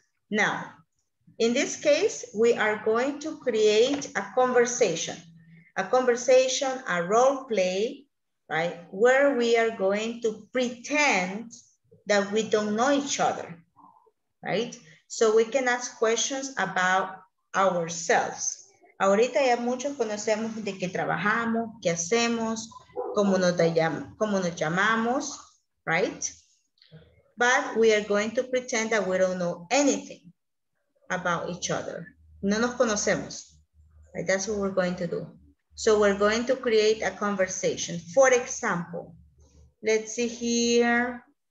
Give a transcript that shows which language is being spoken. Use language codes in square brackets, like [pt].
[en] Now, in this case, we are going to create a conversation. A conversation, a role play, right? Where we are going to pretend that we don't know each other, right? So we can ask questions about ourselves. [es] Ahorita ya muchos conocemos de qué trabajamos, qué hacemos, cómo nos llamamos, right? [en] But we are going to pretend that we don't know anything about each other. [es] No nos conocemos, [en] right? That's what we're going to do. So we're going to create a conversation. For example, let's see here.